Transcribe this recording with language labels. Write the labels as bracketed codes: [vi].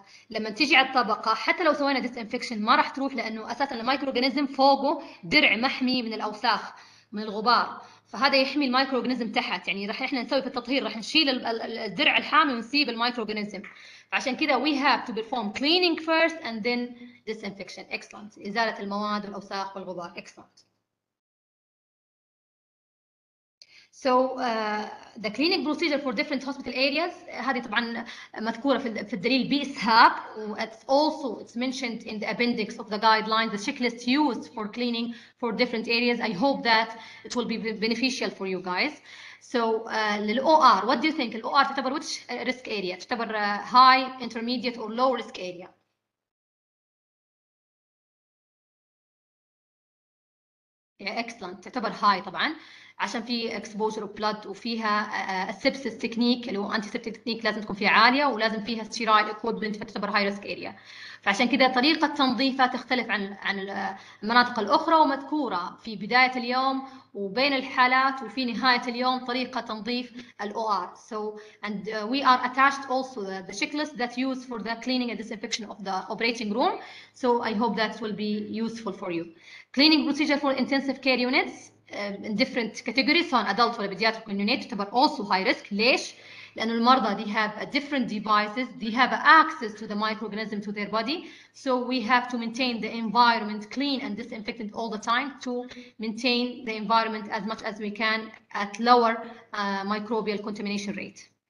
[ar] لما تيجي على الطبقة حتى لو سوينا disinfection ما راح تروح لأنه أساسا الميكروغنيزم فوقه درع محمي من الأوساخ من الغبار. فهذا يحمي الميكروغنيزم تحت. يعني راح إحنا نسوي في التطهير راح نشيل الدرع الحامي ونسيب الميكروغنيزم. عشان كذا [en] we have to perform cleaning first and then disinfection. Excellent. [ar] إزالة المواد والأوساخ والغبار. [en] Excellent. So the cleaning procedure for different hospital areas. [ar] هذه طبعاً مذكورة في الدليل بإسهاب. [en] It's also it's mentioned in the appendix of the guidelines. The checklist used for cleaning for different areas. I hope that it will be beneficial for you guys. So the OR, what do you think? The OR تعتبر which risk area? تعتبر high, intermediate, or low risk area? Yeah, excellent. تعتبر high [ar] طبعاً عشان في [en] exposure of blood وفيها sepsis technique اللي هو antiseptic technique [ar] لازم تكون فيها عالية ولازم فيها [en] sterile equipment فتعتبر high risk area. [ar] فعشان كده طريقة تنظيفها تختلف عن المناطق الأخرى ومذكورة في بداية اليوم وبين الحالات وفي نهاية اليوم طريقة تنظيف الOR. [en] So and we are attached also the checklist that used for the cleaning and disinfection of the operating room. So I hope that will be useful for you. Cleaning procedure for intensive care units in different categories. So an adult or a pediatric unit تعتبر also high risk. [ar] ليش؟ لأن المرضى [en] they have a different devices, they have access to the microorganism to their body, so we have to maintain the environment clean and disinfectant all the time to maintain the environment as much as we can at lower microbial contamination rate.